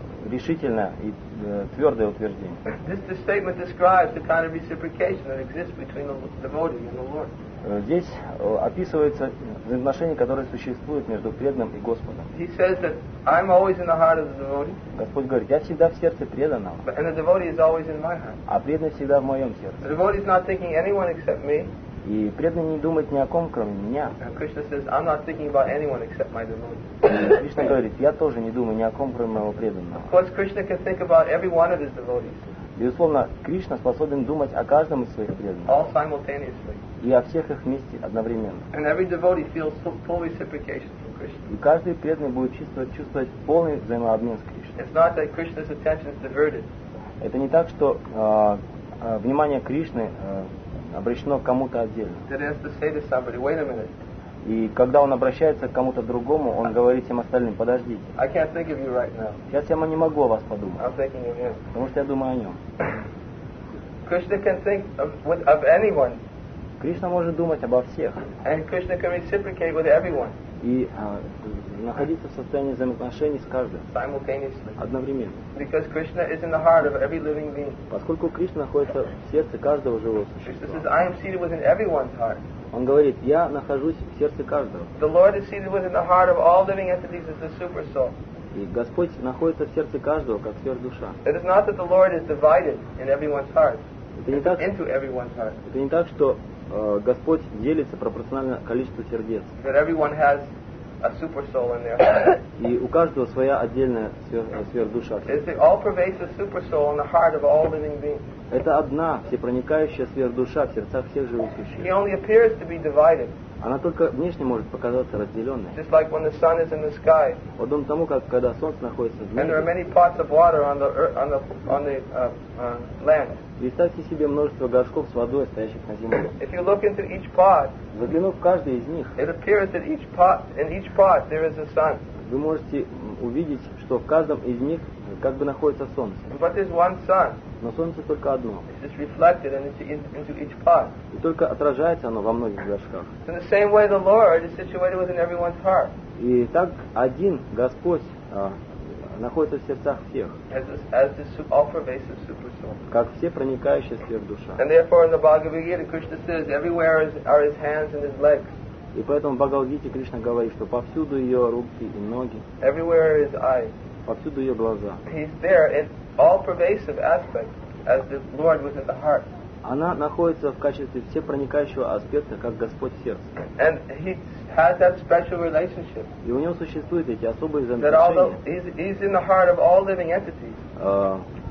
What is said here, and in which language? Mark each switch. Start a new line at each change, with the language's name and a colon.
Russian: решительное и твердое утверждение.
English: This statement describes the kind of reciprocation that exists between the devotee and the Lord.
Russian: Здесь описывается взаимоотношение, которое существует между преданным и Господом.
English: He says that I'm always in the heart of the devotee.
Russian: Господь говорит, я всегда в сердце преданного.
English: And the devotee is always in my heart.
Russian: А преданный всегда в моем сердце.
English: The devotee is not thinking anyone except me.
Russian: И преданный не думает ни о ком, кроме меня.
English: Krishna says, I'm not thinking about anyone except my devotee.
Russian: Кришна говорит, я тоже не думаю ни о ком, кроме моего преданного.
English: Of course, Krishna can think about every one of his devotees.
Russian: Безусловно, Кришна способен думать о каждом из своих преданных.
English: All simultaneously.
Russian: И о всех их вместе одновременно.
English: And every devotee feels full reciprocation from Krishna.
Russian: И каждый преданный будет чувствовать полный взаимообмен с Кришной.
English: It's not that Krishna's attention is diverted.
Russian: Это не так, что внимание Кришны обращено к кому-то отдельно.
English: That he has to say to somebody, wait a minute.
Russian: И когда он обращается к кому-то другому, он говорит всем остальным, подождите.
English: I can't think of you right now.
Russian: Сейчас я не могу о вас подумать.
English: I'm thinking of him.
Russian: Потому что я думаю о нем.
English: Krishna can think of anyone.
Russian: Кришна может думать обо всех.
English: And Krishna can reciprocate with everyone.
Russian: И находиться в состоянии взаимоотношений с каждым.
English: Simultaneously.
Russian: Одновременно.
English: Because Krishna is in the heart of every living being.
Russian: Поскольку Кришна находится в сердце каждого живого существа.
English: Krishna says, I am seated within everyone's heart.
Russian: Он говорит, я нахожусь в сердце каждого.
English: The Lord is seated within the heart of all living entities as the super soul.
Russian: И Господь находится в сердце каждого, как сверхдуша.
English: It is not that the Lord is divided in everyone's heart. Into everyone's heart.
Russian: Это не так, что Господь делится пропорционально количеству сердец.
English: That everyone has a super soul in their heart.
Russian: И у каждого своя отдельная сверхдуша.
English: It's the all-pervasive super soul in the heart of all living beings.
Russian: Это одна всепроникающая сверхдуша в сердцах всех живых существ.
English: He only appears to be divided.
Russian: Она только внешне может показаться разделенной.
English: Just like when the sun is in the sky.
Russian: Подобно тому, как когда солнце находится в небе.
English: And there are many pots of water on the earth, on the land.
Russian: Представьте себе множество горшков с водой, стоящих на земле.
English: If you look into each pot.
Russian: Заглянув в каждый из них.
English: It appears that in each pot there is a sun.
Russian: Вы можете увидеть, что в каждом из них как бы находится солнце.
English: But there's one sun.
Russian: Но солнце только одно.
English: It's just reflected into each pot.
Russian: И только отражается оно во многих горшках.
English: In the same way, the Lord is situated within everyone's heart.
Russian: И так один Господь находится в сердцах всех. Как все проникающие сверхдуша.
English: And therefore, in the Bhagavad Gita, Krishna says, everywhere are his hands and his legs.
Russian: И поэтому в Бхагавад-гите Кришна говорит, что повсюду ее руки и ноги.
English: Everywhere are his eyes.
Russian: Повсюду ее глаза.
English: He's there in all pervasive aspects as the Lord within the heart.
Russian: Она находится в качестве всепроникающего аспекта, как Господь в сердце.
English: And he has that special relationship.
Russian: И у него существуют эти особые взаимоотношения.
English: He's in the heart of all living entities.